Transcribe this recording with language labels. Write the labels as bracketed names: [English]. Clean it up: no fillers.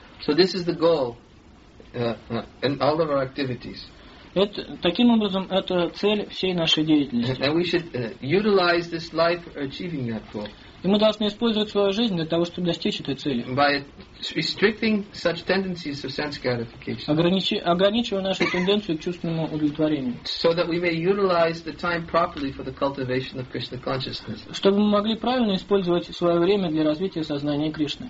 [English] So this is the goal in all of our activities. [Russian] Это, таким образом, это цель всей нашей деятельности. [English] And we should utilize this life for achieving that goal. [Russian] И мы должны использовать свою жизнь для того, чтобы достичь этой цели. [English] By restricting such tendencies of sense gratification. [Russian] Ограничивая нашу тенденцию к чувственному удовлетворению. [English] So that we may utilize the time properly for the cultivation of Krishna consciousness. [Russian] Чтобы мы могли правильно использовать свое время для развития сознания Кришны.